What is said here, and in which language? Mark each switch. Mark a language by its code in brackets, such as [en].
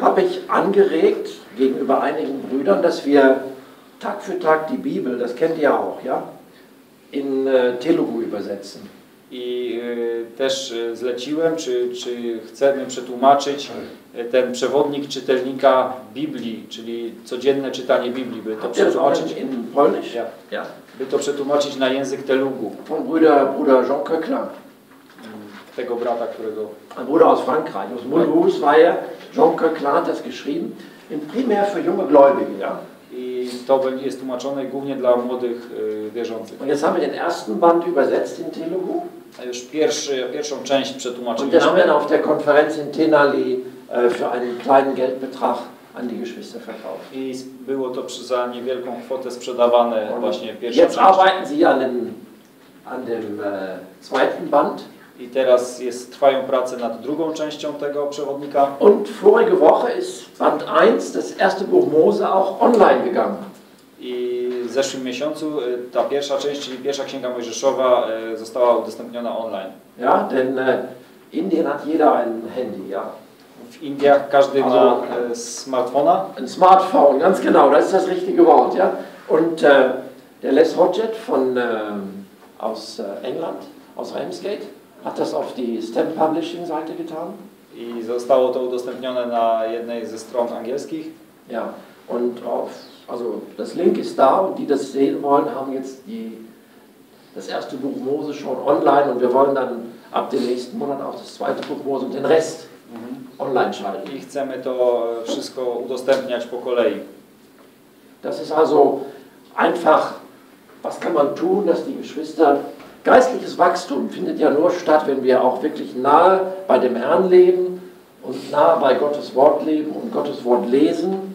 [de] Habe ich angeregt gegenüber einigen Brüdern, dass wir Tag für Tag die Bibel, das kennt ihr auch, ja, in Telugu übersetzen. [pl] I też zleciłem, czy chcemy przetłumaczyć ten przewodnik czytelnika Biblii, czyli codzienne czytanie Biblii, by to przetłumaczyć. [de] In Polnisch? Ja. Ja. [pl] By to przetłumaczyć na język Telugu. [de] Von Bruder Jean Coquelin. [pl] Tego brata, którego... [de] Ein Bruder aus Frankreich, aus Mulhouse, war er, Jean Coquelin hat das geschrieben, in primär für junge Gläubige, ja. [pl] I to jest tłumaczone głównie dla młodych wierzących. [de] Und jetzt haben wir den ersten Band übersetzt in Telugu. [pl] A już pierwszą część przetłumaczyliśmy. [de] Und das haben wir auf der Konferenz in Tenali für einen kleinen Geldbetrag an die Geschwister verkauft. [pl] I było to za niewielką kwotę sprzedawane. Und właśnie pierwsze. [de] Jetzt arbeiten sie an dem zweiten Band. [pl] I teraz trwają prace nad drugą częścią tego przewodnika. [de] Und vorige Woche ist Band 1, das erste Buch Mose, auch online gegangen. [pl] I w zeszłym miesiącu ta pierwsza część, czyli pierwsza Księga Mojżeszowa, została udostępniona online. [de] Ja, denn Indien hat jeder ein Handy, ja. [pl] W Indiach każdy ma smartfona. [de] Ein Smartphone, ganz genau, das ist das richtige Wort, ja. Und der Les Hodget aus England, aus Ramsgate, hat das auf die Stamp Publishing Seite getan. [pl] I zostało to udostępnione na jednej ze stron angielskich. [de] Ja, und auf, also das Link ist da, und die das sehen wollen, haben jetzt das erste Buch Mose schon online, und wir wollen dann ab dem nächsten Monat auch das zweite Buch Mose und den Rest online schalten. [pl] I chcemy to wszystko udostępniać po kolei. [de] Das ist also einfach, was kann man tun, dass die Geschwister... Geistliches Wachstum findet ja nur statt, wenn wir auch wirklich nahe bei dem Herrn leben und nahe bei Gottes Wort leben und Gottes Wort lesen.